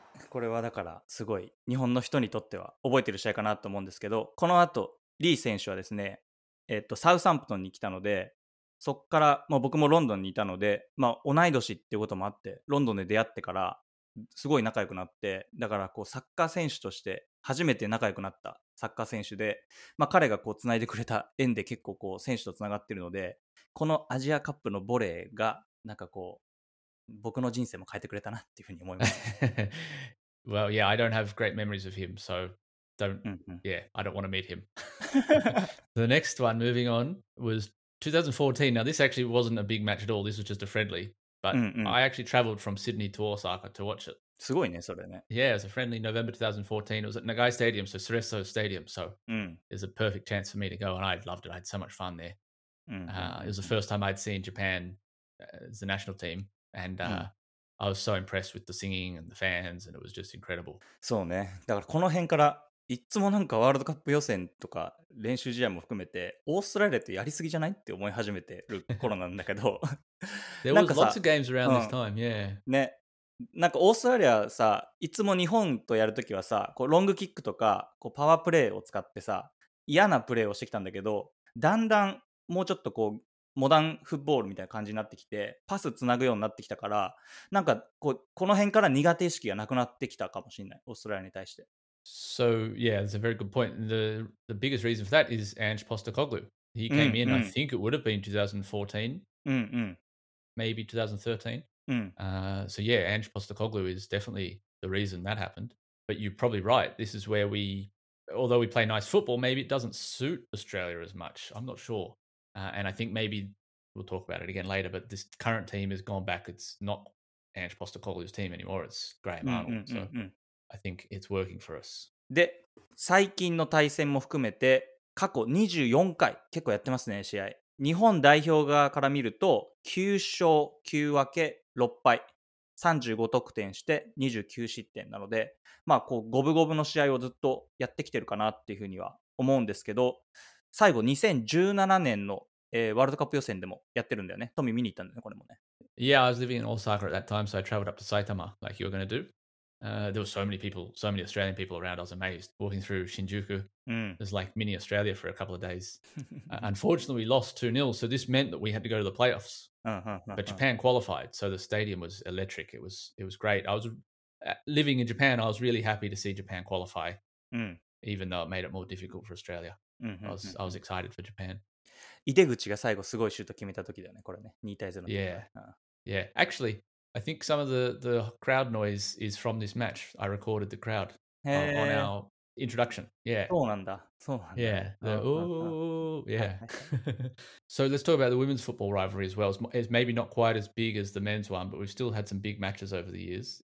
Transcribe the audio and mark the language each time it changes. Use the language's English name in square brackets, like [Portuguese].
[Japanese] これはだからすごい日本の人にとっては覚えてる試合かなと思うんですけど、この後リー選手はですね、サウサンプトンに来たので、そっから、まあ、僕もロンドンにいたので、まあ、同い年っていうこともあってロンドンで出会ってからすごい仲良くなって、だからこうサッカー選手として初めて仲良くなったサッカー選手で、まあ、彼がこう繋いでくれた縁で結構こう選手と繋がってるので、このアジアカップのボレーがなんかこう僕の人生も変えてくれたなっていうふうに思います。 [English] Well, yeah, I don't have great memories of him, so don't, yeah, I don't want to meet him. The next one, moving on, was 2014. Now, this actually wasn't a big match at all. This was just a friendly. But I actually travelled from Sydney to Osaka to watch it. [Japanese] すごいね、それね。 [English] Yeah, it was a friendly November 2014. It was at Nagai Stadium, so Cerezo Stadium. So it was a perfect chance for me to go, and I loved it. I had so much fun there. It was the first time I'd seen Japan as the national team. And I was so impressed with the singing and the fans, and it was just incredible. [Japanese] そうね。だからこの辺からいつもなんかワールドカップ予選とか練習試合も含めてオーストラリアとやりすぎじゃないって思い始めてる頃なんだけど、 [English] There was lots of games around this time, yeah. [Japanese] ね、なんかオーストラリアさ、いつも日本とやるときはさ、こうロングキックとかこうパワープレーを使ってさ、嫌なプレーをしてきたんだけど、だんだんもうちょっとこうモダンフットボールみたいな感じになってきて、パスつなぐようになってきたから、なんかこうこの辺から苦手意識がなくなってきたかもしれない、オーストラリアに対して。 [English] So yeah, that's a very good point. The biggest reason for that is Ange Postecoglou. He came in, I think it would have been 2014, maybe 2013. So yeah, Ange Postecoglou is definitely the reason that happened. But you're probably right. This is where we, although we play nice football, maybe it doesn't suit Australia as much. I'm not sure. And I think maybe we'll talk about it again later, but this current team has gone back. It's not Ange Postecoglou's team anymore. It's Graham Arnold. I think it's working for us. [Japanese] で、最近の対戦も含めて過去24回結構やってますね、試合。日本代表側から見ると9勝9分け6敗、35得点して29失点なので、まあこう五分五分の試合をずっとやってきてるかなっていうふうには思うんですけど、最後2017年の、ワールドカップ予選でもやってるんだよね。トミー見に行ったんだよね、これもね。 [English] Yeah, I was living in Osaka at that time, so I traveled up to Saitama like you were going to do. There were so many people, so many Australian people around. I was amazed walking through Shinjuku. It was like mini Australia for a couple of days. Unfortunately, we lost 2-0. So this meant that we had to go to the playoffs. But Japan qualified. So the stadium was electric. It was great. I was living in Japan. I was really happy to see Japan qualify, even though it made it more difficult for Australia. I was excited for Japan. [Japanese] 井手口が最後すごいシュート決めた時だよね、これね。 2対0の。 [English] Yeah. Yeah. Actually,I think some of the crowd noise is from this match. I recorded the crowd on our introduction. Yeah. [Japanese] そうなんだ。そうなんだ。 [English] Yeah. Yeah. So let's talk about the women's football rivalry as well. It's maybe not quite as big as the men's one, but we've still had some big matches over the years.